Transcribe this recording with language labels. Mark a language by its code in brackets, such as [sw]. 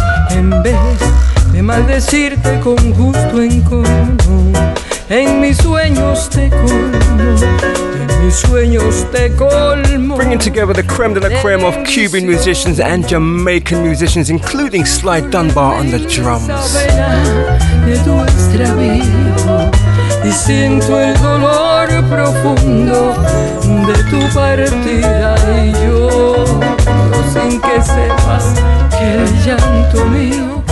[es] En vez de maldecirte con gusto en coro, en mis sueños te colmo, en mis sueños te colmo. [en] Bringing together the creme de la creme of Cuban musicians and Jamaican musicians, including Sly Dunbar on the drums. [es] De tu extravío y siento el dolor profundo de tu partida y yo sin que sepas que el llanto mío.